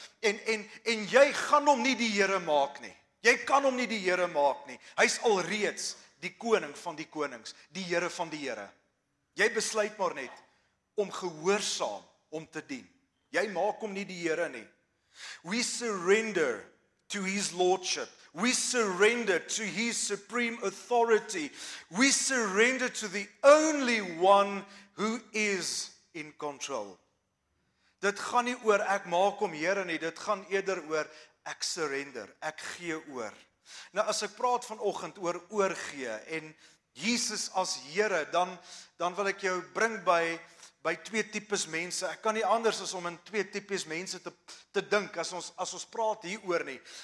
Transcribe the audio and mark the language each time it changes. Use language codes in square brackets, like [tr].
[af] En jy gaan hom nie die Here maak nie. Jy kan hom nie die Here maak nie. Hy's alreeds die koning van die konings, die Here van die Here. Jy besluit maar net om gehoorsaam om te dien. Jy maak hom nie die Here nie. [en] We surrender to his lordship. We surrender to his supreme authority. We surrender to the only one who is in control. [af] Dit gaan nie oor ek maak om Here nie, dit gaan eerder oor ek surrender, ek gee oor. Nou as ek praat vanoggend oor oorgee en Jesus as Here, dan wil ek jou bring by twee tipes mense. Ek kan nie anders as om in twee tipes mense te dink as ons praat hieroor nie.